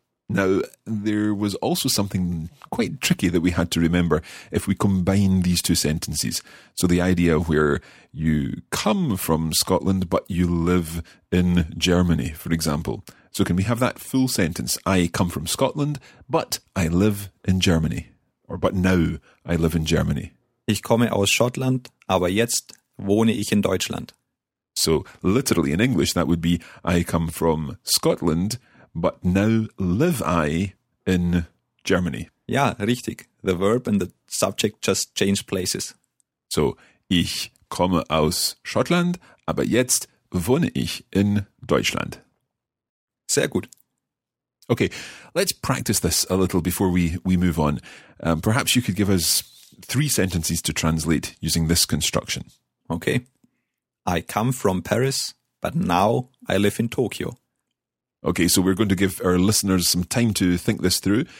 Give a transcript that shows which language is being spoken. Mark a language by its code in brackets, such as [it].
[en] Now, there was also something quite tricky that we had to remember if we combine these two sentences. So the idea where you come from Scotland, but you live in Germany, for example. So can we have that full sentence? I come from Scotland, but I live in Germany. Or but now I live in Germany. [de] Ich komme aus Schottland, aber jetzt wohne ich in Deutschland. [en] So literally in English, that would be I come from Scotland, but now live I in Germany. [de] Ja, richtig. [en] The verb and the subject just change places. [de] So, ich komme aus Schottland, aber jetzt wohne ich in Deutschland. Sehr gut. [en] Okay, let's practice this a little before we move on. Perhaps you could give us three sentences to translate using this construction. Okay. I come from Paris, but now I live in Tokyo. Okay, so we're going to give our listeners some time to think this through.